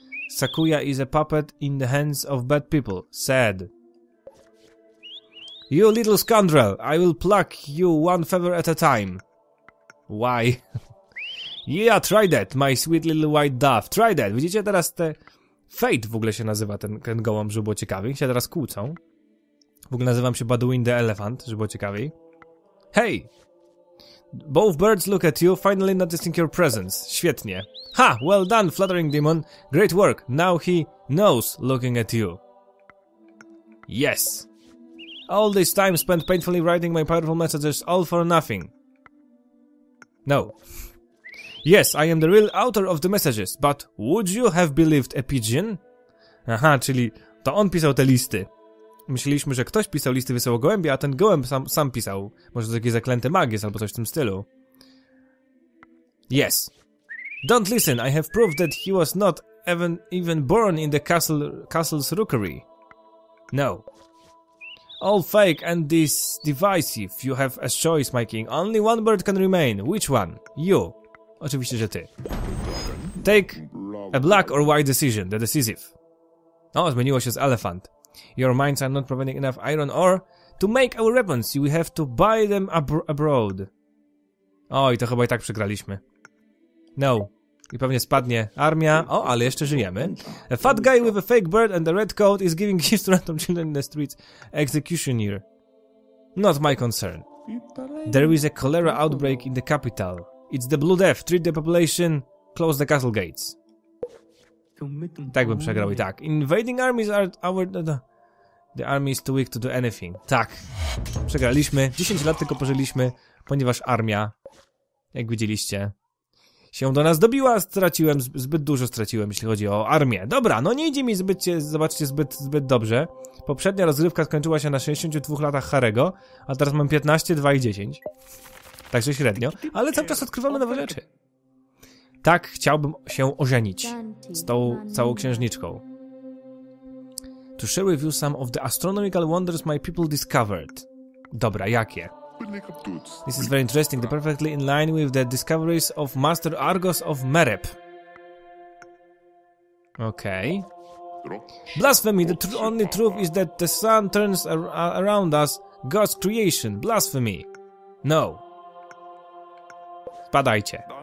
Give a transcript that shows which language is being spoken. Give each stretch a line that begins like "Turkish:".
English: Sakuya is a puppet in the hands of bad people. Sad. You little scoundrel, I will pluck you one feather at a time. Why? Yeah, try that, my sweet little white dove. Try that.
Polish: Widzicie teraz te... Fate w ogóle się nazywa ten gołąb, żeby było ciekawiej. Się teraz kłócą. W ogóle nazywam się Baduin the Elephant, żeby było ciekawiej.
English: Hey! Both birds look at you, finally noticing your presence.
Polish: Świetnie.
English: Ha! Well done, fluttering demon. Great work. Now he knows looking at you. Yes! All this time spent painfully writing my powerful messages, all for nothing. No. Yes, I am the real author of the messages, but would you have believed a pigeon?
Polish: Aha, czyli to on pisał te listy. Myśleliśmy, że ktoś pisał listy, wysyłał gołębie, a ten gołęb sam pisał. Może to jakiś zaklęty magiec albo coś w tym stylu.
English: Yes. Don't listen, I have proof that he was not even born in the castle's rookery. No. All fake and this divisive. You have a choice, my king. Only one bird can remain. Which one? You.
Polish: Oczywiście, że ty.
English: Take a black or white decision. The decisive.
Polish: O, zmieniło się z elephant.
English: Your mines are not providing enough iron ore to make our weapons. We have to buy them abroad.
Polish: O, i to chyba i tak przegraliśmy. No. I pewnie spadnie armia. O, ale jeszcze żyjemy.
English: A fat guy with a fake bird and a red coat is giving gifts to random children in the streets. Executioner. Not my concern. There is a cholera outbreak in the capital. It's the blue death. Treat the population. Close the castle gates.
Polish: Tak bym przegrał i tak.
English: Invading armies are our... The army is too weak to do anything.
Polish: Tak. Przegraliśmy. 10 lat tylko pożyliśmy, ponieważ armia, jak widzieliście... się do nas dobiła, straciłem, zbyt dużo straciłem, jeśli chodzi o armię. Dobra, no nie idzie mi zbyt dobrze. Poprzednia rozgrywka skończyła się na 62 latach Harego, a teraz mam 15, 2 i 10. Także średnio, ale cały czas odkrywamy nowe rzeczy. Tak, chciałbym się ożenić z tą całą księżniczką.
English: To share with you some of the astronomical wonders my people discovered.
Polish: Dobra, jakie?
English: This is very interesting. They're perfectly in line with the discoveries of Master Argos of Mereb. Okay. Blasphemy! The only truth is that the sun turns around us, God's creation. Blasphemy! No.
Polish: Spadajcie.